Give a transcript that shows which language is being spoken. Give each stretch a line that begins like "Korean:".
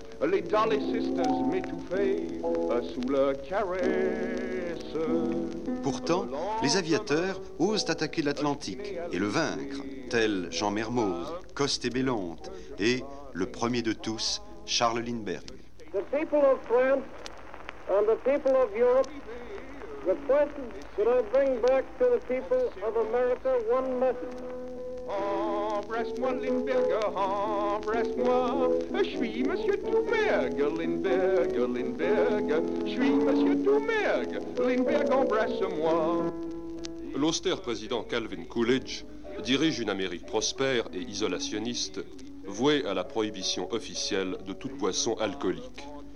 French: Les Dolly Sisters m'étouffaient sous la caresse. Pourtant, les aviateurs osent attaquer l'Atlantique et le vaincre, tels Jean Mermoz, Coste et Bellante, et le premier de tous, Charles Lindbergh.
English: The people of France and the people of Europe, the person that I bring back to the people of America one message.
French: Embrasse-moi, Lindbergh, embrasse-moi. Je suis Monsieur Doumergue, Lindbergh, Lindbergh. Je suis Monsieur Doumergue, Lindbergh, embrasse-moi. L'austère président Calvin Coolidge dirige une Amérique prospère et isolationniste vouée à la prohibition officielle de toute boisson alcoolique.